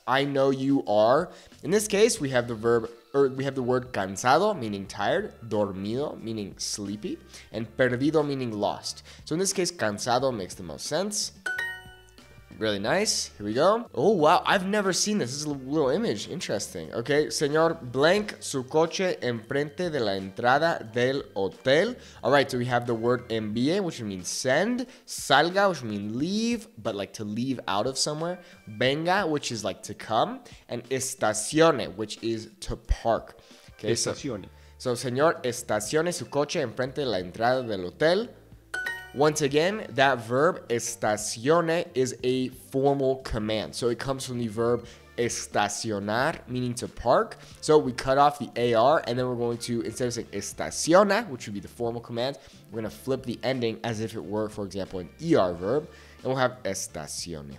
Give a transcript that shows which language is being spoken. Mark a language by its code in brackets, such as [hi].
[en] I know you are. In this case, we have the verb word cansado, meaning tired, dormido, meaning sleepy, and perdido, meaning lost. So in this case, cansado makes the most sense. Really nice. Here we go. Oh, wow. I've never seen this. This is a little image. Interesting. Okay. [es] Señor, blank su coche enfrente de la entrada del hotel. [en] All right. So we have the word envíe, which means send. Salga, which means leave, but like to leave out of somewhere. Venga, which is like to come. And estacione, which is to park. Okay, estacione. [es] So, señor, estacione su coche enfrente de la entrada del hotel. [en] Once again, that verb, estacione, is a formal command. So it comes from the verb estacionar, meaning to park. So we cut off the AR, and then we're going to, instead of saying estaciona, which would be the formal command, we're going to flip the ending as if it were, for example, an ER verb, and we'll have estacione.